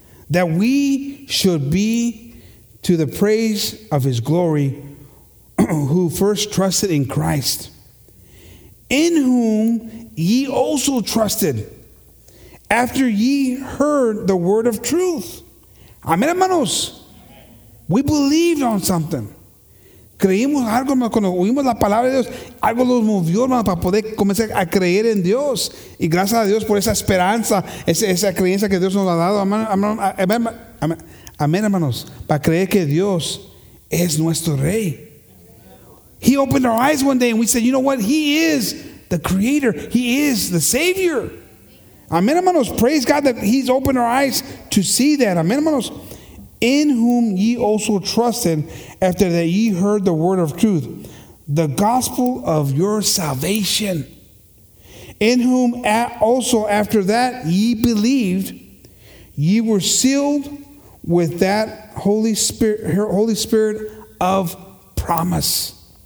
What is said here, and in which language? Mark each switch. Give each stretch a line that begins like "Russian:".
English: that we should be to the praise of his glory, who first trusted in Christ, in whom ye also trusted, after ye heard the word of truth. Amen, hermanos. We believed on something.
Spanish: Creímos algo, hermano, cuando oímos la palabra de Dios, algo nos movió, hermano, para poder comenzar a creer en Dios. Y gracias a Dios por esa esperanza, esa creencia que Dios nos ha dado. Amén, hermanos, para creer que Dios es nuestro Rey.
English: He opened our eyes one day and we said, you know what? He is the Creator. He is the Savior. Amén, hermanos. Praise God that he's opened our eyes to see that. Amén, hermanos. In whom ye also trusted after that ye heard the word of truth, the gospel of your salvation, in whom also after that ye believed, ye were sealed with that Holy Spirit of promise.